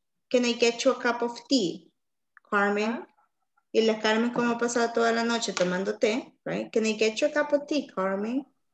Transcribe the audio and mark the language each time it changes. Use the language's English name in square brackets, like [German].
[English] Can I get you a cup of tea, Carmen? Uh-huh. [Spanish] Y la Carmen, ¿cómo ha pasado toda la noche tomando té? [English] Right? Can I get you a cup of tea, Carmen?